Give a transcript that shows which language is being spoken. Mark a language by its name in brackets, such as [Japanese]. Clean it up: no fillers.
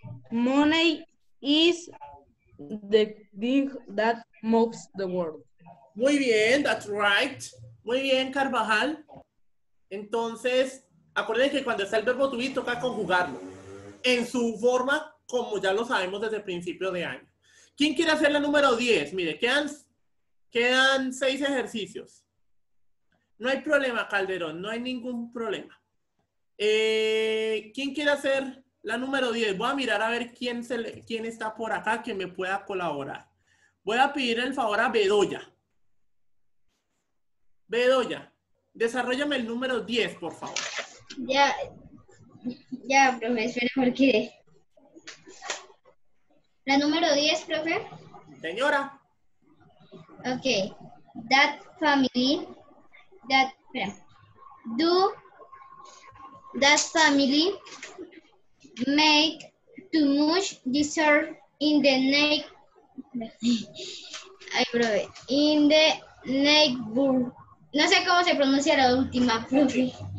[English] Money is the thing that moves the world. [Spanish] Muy bien, [English] that's right. [Spanish] Muy bien, Carvajal. Entonces, acuérdense que cuando está el verbo to be, toca conjugarlo. En su forma, como ya lo sabemos desde el principio de año. ¿Quién quiere hacer la número 10? Mire, quedan 6 ejercicios. No hay problema, Calderón, no hay ningún problema. ¿Quién quiere hacer la número 10? Voy a mirar a ver quién está por acá que me pueda colaborar. Voy a pedir el favor a Bedoya. Bedoya, desarróllame el número 10, por favor. Ya. Ya, profe, espera, porque la número 10, profe. Señora. Ok. [English] That family, that, espera. Do that family make too much dessert in the neck? [Spanish] Ay, profe. [English] In the neighborhood. [Spanish] No sé cómo se pronuncia la última, profe.